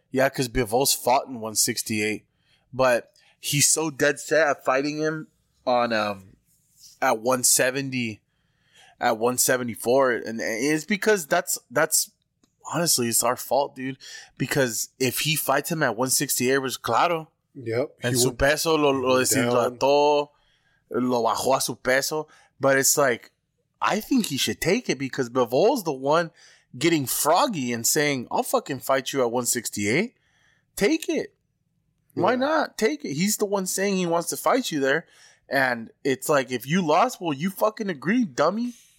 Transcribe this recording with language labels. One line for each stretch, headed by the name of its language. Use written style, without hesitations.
English: Yeah, because Bivol's fought in 168. But he's so dead set at fighting him on... at 170, at 174, and it's because that's honestly, it's our fault, dude. Because if he fights him at 168, it was
Spanish: claro.
English: Yep.
Spanish: And su peso lo deshidrató, lo bajó a su peso.
English: But it's like, I think he should take it because Bivol's the one getting froggy and saying, "I'll fucking fight you at 168. Take it. Yeah. Why not take it? He's the one saying he wants to fight you there." And it's like, if you lost, well, you fucking agree, dummy.